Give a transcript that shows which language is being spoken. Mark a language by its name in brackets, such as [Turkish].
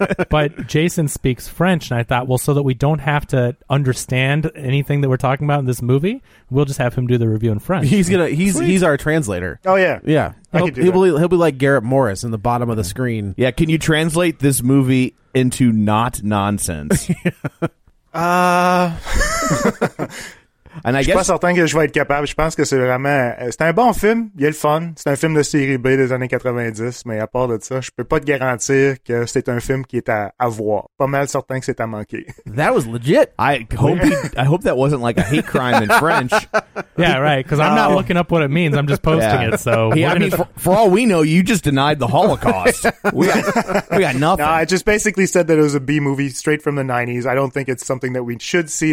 [English] But Jason speaks French, and I thought, well, so that we don't have to understand anything that we're talking about in this movie, we'll just have him do the review in French. He's our translator. Oh yeah, yeah. He'll be like Garrett Morris in the bottom of the screen. Yeah, can you translate this movie into not nonsense? And I guess [French] certain que je vais être capable. Je pense que c'est vraiment c'est un bon film. Il y a le fun. C'est un film de série B des années 90. Mais à part de ça, je peux pas te garantir que c'est un film qui est à voir. Pas mal certain que c'est à manquer. [English] That was legit. I hope that wasn't like a hate crime in French. Yeah, right. Because I'm not looking up what it means. I'm just posting it. So for all we know, you just denied the Holocaust. We got nothing. No, I just basically said that it was a B movie straight from the 90s. I don't think it's something that we should see.